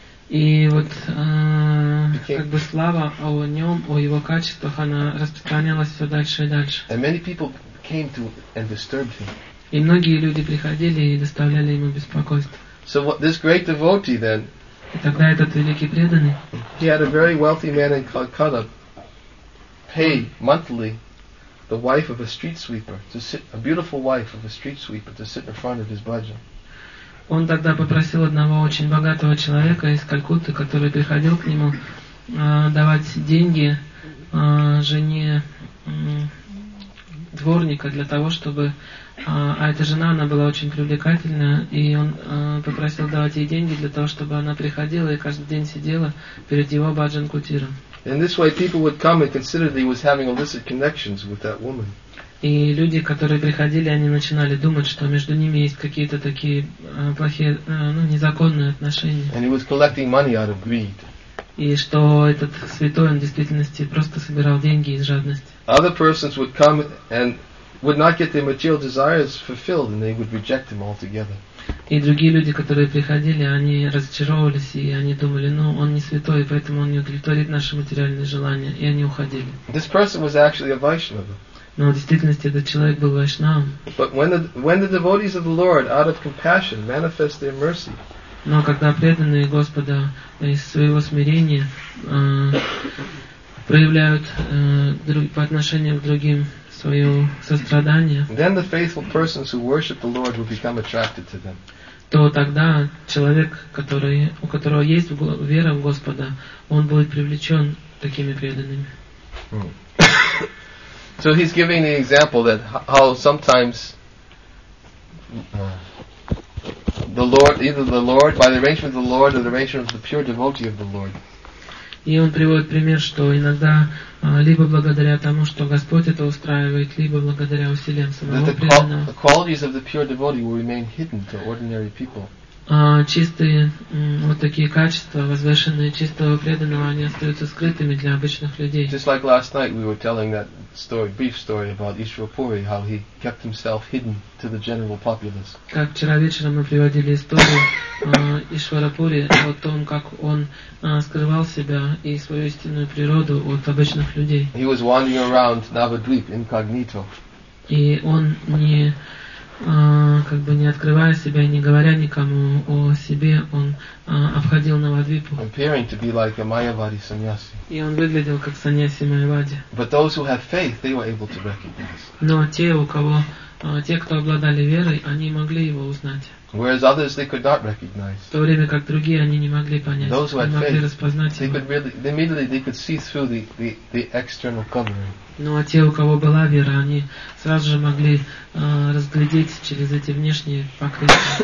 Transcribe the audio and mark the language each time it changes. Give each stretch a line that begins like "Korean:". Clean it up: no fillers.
Russian: И вот как бы слава о нем, о его качествах, она распространялась все дальше и дальше.
English: And many people came to and disturbed him.
Russian: И многие люди приходили и доставляли ему беспокойство.
English: So what, this great devotee then?
Russian: И тогда этот великий преданный.
English: He had a very wealthy man in Calcutta pay monthly the wife of a street sweeper to sit, a beautiful wife of a street sweeper to sit in front of his bhajan.
Russian: Он тогда попросил одного очень богатого человека из Калькутты, который приходил к нему, давать деньги жене дворника для того, чтобы... А эта жена, она была очень привлекательна, и он попросил давать ей деньги для того, чтобы она приходила и каждый день сидела перед его баджан-кутиром.
English: In this way people would come and consider that he was having illicit connections with that woman.
Russian: И люди, которые приходили, они начинали думать, что между ними есть какие-то такие плохие, ну, незаконные отношения.
English: And he was collecting money out of greed.
Russian: И что этот святой, он в действительности просто собирал деньги из жадности.
English: Other persons would come and would not get their material desires fulfilled, and they would reject him altogether.
Russian: И другие люди, которые приходили, они разочаровывались, и они думали, ну, он не святой, поэтому он не удовлетворит наши материальные желания, и они уходили.
English: This person was actually a Vaishnava.
Russian: Но в действительности этот человек был вайшнавом.
English: But when the devotees of the Lord, out of compassion, manifest their mercy.
Russian: Но когда преданные Господа из своего смирения проявляют по отношению к другим свое сострадание.
English: Then the faithful persons who worship the Lord will become attracted to them.
Russian: То тогда человек, который, у которого есть вера в Господа, он будет привлечен такими преданными.
English: So he's giving an example that how sometimes the Lord, either the Lord, by the arrangement of the Lord, or the arrangement of the pure devotee of the Lord.
Russian: И он приводит пример, что иногда либо благодаря тому, что Господь это устраивает, либо благодаря усилиям самого преданного.
English: The qualities of the pure devotee will remain hidden to ordinary people.
Russian: Чистые вот такие качества, возвышенные чистого преданного, они остаются скрытыми для обычных людей.
English: Just like last night, we were telling that story, brief story about Ishwar Puri, how he kept himself hidden to the general populace.
Russian: Как вчера вечером мы приводили историю Ишвара Пури о том, как он скрывал себя и свою истинную природу от обычных людей.
English: He was wandering around Navadvip incognito.
Russian: И он не как бы не открывая себя и не говоря никому о себе, он обходил Навадвипу.
English: Appearing to be like a Mayavadi sannyasi.
Russian: И он выглядел как саньяси Майявади.
English: But those who had faith, they were able to recognize.
Russian: Но те, у кого те, кто обладали верой, они могли его узнать.
English: Whereas others they could not recognize.
Russian: В то время как другие они не могли понять,
English: those
Russian: не могли
English: faith,
Russian: распознать
English: they
Russian: его.
English: Could really, they immediately they could see through the external covering.
Russian: Ну а те, у кого была вера, они сразу же могли разглядеть через эти внешние покрытия.